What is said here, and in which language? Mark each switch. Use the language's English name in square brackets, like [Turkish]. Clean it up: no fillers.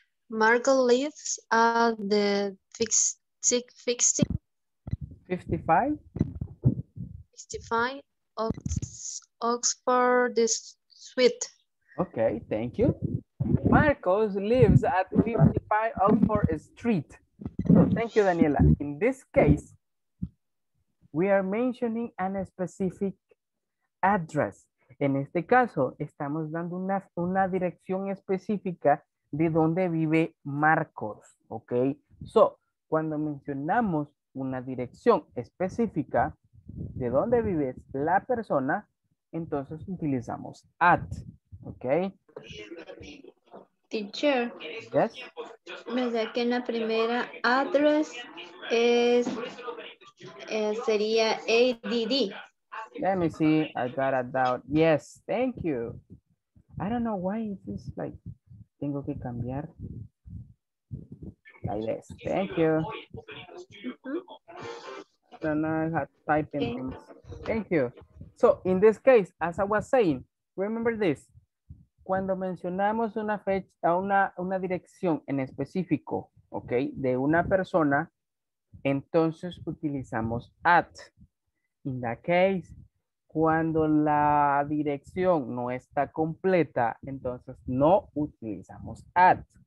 [English] Marco lives at the 55 Oxford Street. Okay, thank you. Marco lives at 55 Oxford Street. So, thank you, Daniela. In this case, we are mentioning a specific address. [Spanish] En este caso, estamos dando una dirección específica de dónde vive Marcos, ¿ok? So, cuando mencionamos una dirección específica de dónde vive la persona, entonces utilizamos at, ¿ok? [English] Teacher. Yes. [Spanish] Me da que en la primera address es, sería ADD. [English] Let me see, I got a doubt. Yes, thank you. I don't know why it is like... [Spanish] Tengo que cambiar. [English] like this. Thank you. Mm-hmm. So now I have typing things. Thank you. So in this case, as I was saying, remember this. [Spanish] Cuando mencionamos una fecha, una dirección en específico, ¿ok? De una persona, entonces utilizamos at. [English] In that case, [Spanish] cuando la dirección no está completa, entonces no utilizamos at.